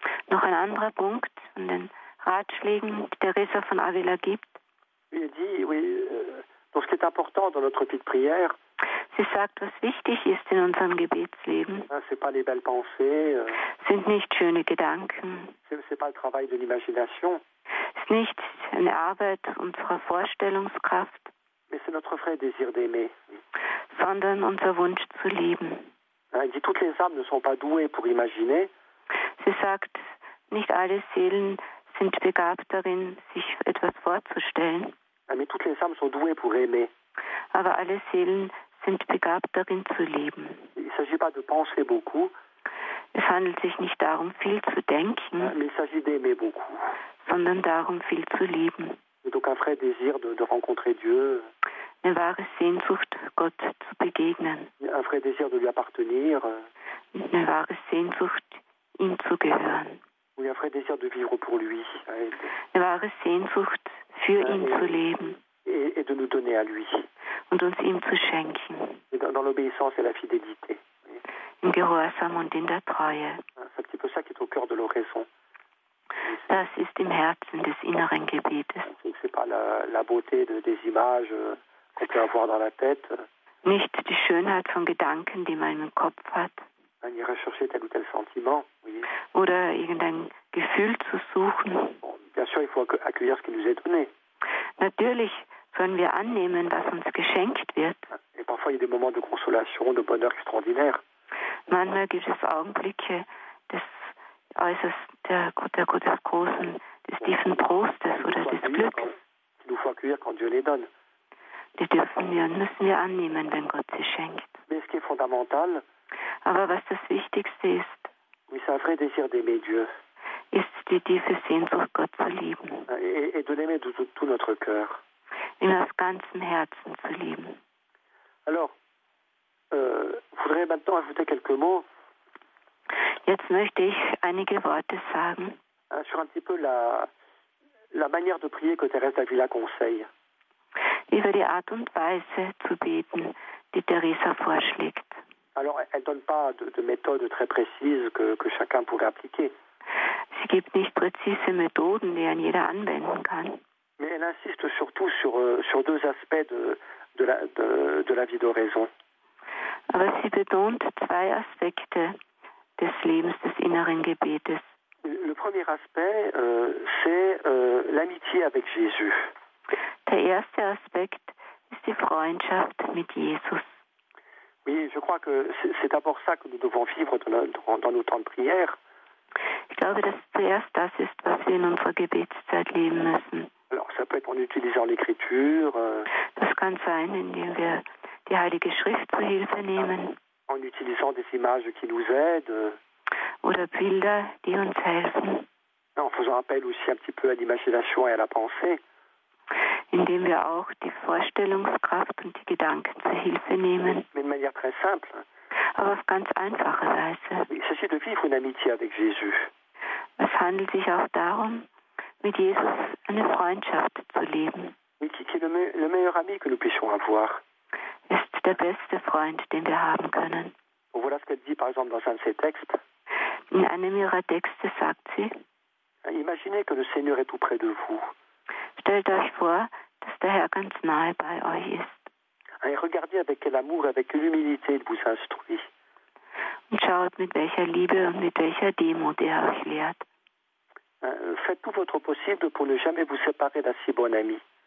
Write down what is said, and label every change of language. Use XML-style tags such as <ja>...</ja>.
<de>Noch ein anderer Punkt von den Ratschlägen, die Teresa von Avila gibt.</de> <fr>Il dit, oui, ce qui est important dans notre vie de prière.</fr> <de>Sie sagt, was wichtig ist in unserem Gebetsleben.</de> <fr>C'est pas les belles pensées.</fr> <de>Sind nicht schöne Gedanken.</de> <fr>C'est pas le travail de l'imagination.</fr> <de>Ist nicht eine Arbeit unserer Vorstellungskraft.</de> <fr>Mais c'est notre vrai désir d'aimer.</fr> <de>Sondern unser Wunsch zu lieben.</de> <fr>Il dit, toutes les âmes ne sont pas douées pour imaginer.</fr> <de>Sie sagt, nicht alle Seelen sind begabt darin, sich etwas vorzustellen.</de> <fr>Mais toutes les âmes sont douées pour aimer.</fr> <de>Aber alle Seelen sind begabt darin zu lieben.</de> <fr>Il s'agit pas de penser beaucoup.</fr> <de>Es handelt sich nicht darum, viel zu denken.</de> <fr>Mais il s'agit d'aimer beaucoup.</fr> <de>Sondern darum, viel zu lieben.</de> <fr>Et donc un vrai désir de rencontrer Dieu.</fr> <de>Eine wahre Sehnsucht, Gott zu begegnen.</de> <fr>Un vrai désir de lui appartenir.</fr> <de>Eine wahre Sehnsucht, ihm zu gehören.</de> <fr>Oui, un vrai désir de vivre pour lui.</fr> <de>Eine wahre Sehnsucht, für ihn zu leben.</de> <fr>Et de nous donner à lui.</fr> <de>Und uns ihm zu schenken.</de> <fr>Et dans l'obéissance et la fidélité.</fr> <de>Im Gehorsam und in der Treue.</de> <fr>C'est un petit peu ça qui est au cœur de l'oraison.</fr> <de>Das ist im Herzen des inneren Gebetes.</de> <fr>C'est pas la beauté des images qu'on peut avoir dans la tête.</fr> <de>Nicht die Schönheit von Gedanken, die man im Kopf hat.</de> <fr>Man irait chercher tel ou tel sentiment, oui.</fr> <de>Oder irgendein Gefühl zu suchen.</de> <fr>Bien sûr, il faut accueillir ce qui nous est donné.</fr> <de>Natürlich sollen wir annehmen, was uns geschenkt wird.</de> <fr>Et parfois, il y a des moments de consolation, de bonheur extraordinaire.</fr> <de>Manchmal gibt es Augenblicke des tiefen Trostes oder des Glücks.</de> <fr>Qu'il nous faut accueillir quand Dieu les donne.</fr> <de>Die dürfen wir und müssen wir annehmen, wenn Gott sie schenkt.</de> <fr>Mais ce qui est fondamental.</fr> <de>Aber was das Wichtigste ist,</de> <fr>oui, c'est un vrai désir d'aimer Dieu.</fr> <de>ist die tiefe Sehnsucht, Gott zu lieben.</de> <fr>Et de l'aimer de tout notre cœur.</fr> <de>In aus ganzem Herzen zu lieben.</de> <fr>Alors, je voudrais maintenant ajouter quelques mots.</fr> <de>Jetzt möchte ich einige Worte sagen.</de> <fr>Sur un petit peu la manière de prier que Thérèse d'Avila conseille.</fr> <de>Über die Art und Weise zu beten, die Teresa vorschlägt.</de> <fr>Alors, elle donne pas de méthode très précise que chacun pourrait appliquer.</fr> <de>Sie gibt nicht präzise Methoden, die an jeder anwenden kann.</de> <fr>Mais elle insiste surtout sur deux aspects de la vie d'oraison.</fr> <de>Aber sie betont zwei Aspekte des Lebens des inneren Gebetes.</de> <fr>Le premier aspect, c'est l'amitié avec Jésus.</fr> <de>Der erste Aspekt ist die Freundschaft mit Jesus.</de> <fr>Oui, je crois que c'est d'abord ça que nous devons vivre dans nos temps de prière.</fr> <de>Ich glaube, dass zuerst das ist, was wir in unserer Gebetszeit leben müssen.</de> <fr>Alors, ça peut être en utilisant l'écriture.</fr> <de>Das kann sein, indem wir die Heilige Schrift zu Hilfe nehmen.</de> <fr>En utilisant des images qui nous aident.</fr> <de>Oder Bilder, die uns helfen.</de> <fr>En faisant appel aussi un petit peu à l'imagination et à la pensée.</fr> <de>Indem wir auch die Vorstellungskraft und die Gedanken zu Hilfe nehmen.</de> <fr>Mais de manière très simple.</fr> <de>Aber auf ganz einfache Weise.</de> <fr>Il s'agit de vivre une amitié avec Jésus.</fr> <de>Es handelt sich auch darum, mit Jesus eine Freundschaft zu leben.</de> <fr>Mais qui est le meilleur ami que nous puissions avoir.</fr> <de>Ist der beste Freund, den wir haben können.</de> <fr>Voilà ce qu'elle dit, par exemple, dans un de ses textes.</fr> <de>In einem ihrer Texte sagt sie,</de> <fr>imaginez que le Seigneur est tout près de vous.</fr> <de>Stellt euch vor, dass der Herr ganz nahe bei euch ist.</de> <fr>Et regardez avec quel amour, avec quelle humilité il vous instruit.</fr> <de>Und schaut, mit welcher Liebe und mit welcher Demut er euch lehrt.</de> <fr>Faites tout votre possible pour ne jamais vous séparer d'un si bon ami.</fr>